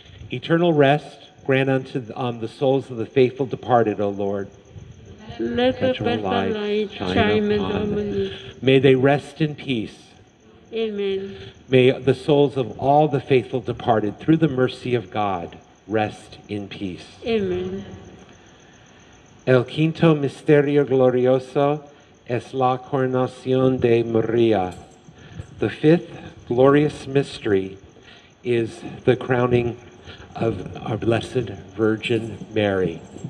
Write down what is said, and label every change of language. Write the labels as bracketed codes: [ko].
[en] Eternal rest grant unto the souls of the faithful departed, O Lord. Let the light shine upon them. May they rest in peace. Amen. May the souls of all the faithful departed, through the mercy of God, rest in peace. Amen. [es] El quinto misterio glorioso es la coronación de María. [en] The fifth glorious mystery is the crowning of our Blessed Virgin Mary.